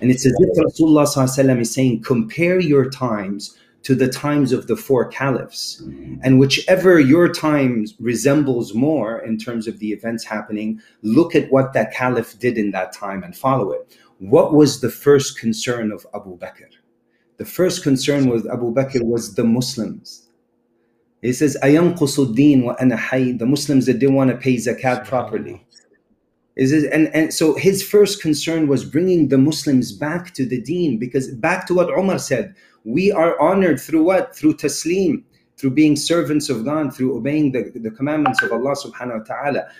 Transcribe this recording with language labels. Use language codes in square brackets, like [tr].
[en] And it's as if Rasulullah sallallahu alayhi wa sallam is saying, compare your times to the times of the four caliphs. And whichever your times resembles more in terms of the events happening, look at what that caliph did in that time and follow it. What was the first concern of Abu Bakr? The first concern with Abu Bakr was the Muslims. [ar] He says, أَيَنْقُصُ الدِّينَ وَأَنَا حَيِّ. [en] The Muslims that didn't want to pay zakat properly. And so his first concern was bringing the Muslims back to the deen, because back to what Umar said, we are honored through what? Through taslim, through being servants of God, through obeying the commandments of Allah subhanahu wa ta'ala.